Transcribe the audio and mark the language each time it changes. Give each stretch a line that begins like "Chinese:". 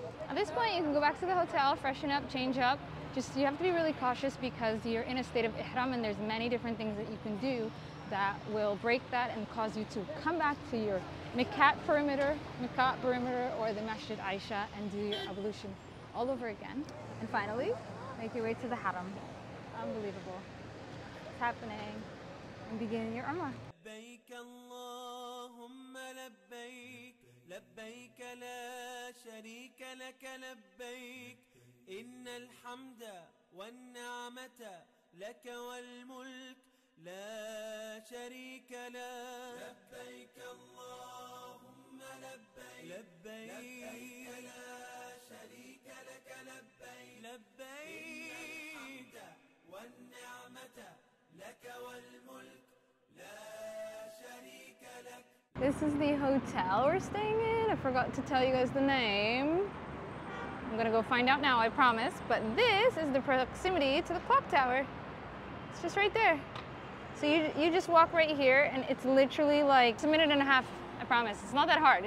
English: At this point, you can go back to the hotel, freshen up, change up. Just you have to be really cautious because you're in a state of ihram and there's many different things that you can do that will break that and cause you to come back to your Mekat perimeter or the Masjid Aisha and do your ablution all over again. And finally, make your way to the haram. Unbelievable. It's happening. I'm beginning your Umrah.
Arabic: لبيك اللهم لبيك لبيك لا شريك لك لبيك إن الحمد والنعمة لك والملك لا شريك لك لبيك اللهم لبيك لبيك لا شريك لك لبيك لبيك الحمد والنعمة لك والملك لا شريك لك.
English: This is the hotel we're staying in. I forgot to tell you guys the name. I'm gonna go find out now, I promise. But this is the proximity to the clock tower. It's just right there. So you just walk right here and it's literally like, it's a minute and a half, I promise. It's not that hard.